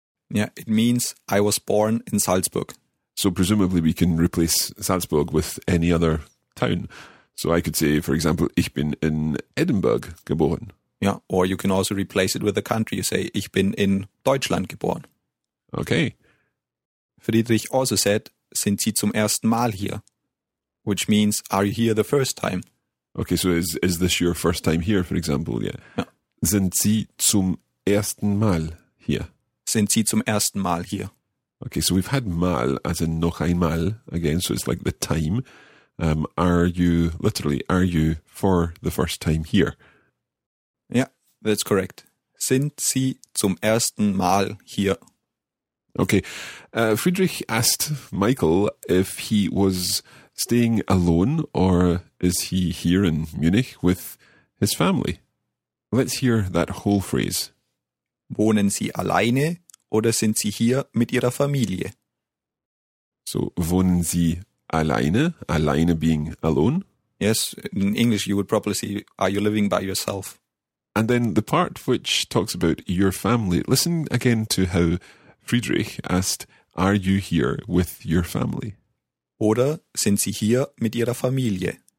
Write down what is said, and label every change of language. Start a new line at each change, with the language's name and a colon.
English: Yeah, it means I was born in Salzburg. So presumably we can replace Salzburg with any other town. So I could say, for example,
German: ich bin in Edinburgh geboren.
English: Yeah, or you can also replace it with a country. You say,
German: ich bin in Deutschland geboren.
English: Okay.
German: Friedrich
English: also said,
German: sind Sie zum ersten Mal hier?
English: Which means, are you here the first time? Okay, so is this your first time here, for example? Yeah.
German: Ja. Sind Sie zum ersten Mal hier? Sind Sie zum ersten Mal hier?
English: Okay, so we've had mal, as in
German: noch einmal,
English: again, so it's like the time. Are you for the first time here? Yeah, that's correct.
German: Sind Sie zum ersten Mal hier?
English: Okay, Friedrich asked Michael if he was staying alone or is he here in Munich with his family. Let's hear that whole phrase.
German: Wohnen Sie alleine oder sind Sie hier mit Ihrer Familie? So, wohnen Sie alleine? Alleine
English: being alone? Yes, in English you would probably say, are you living by yourself? And then the part which talks about your family, listen again to how Friedrich asked, are you here with your family?
German: Oder sind Sie hier mit Ihrer Familie?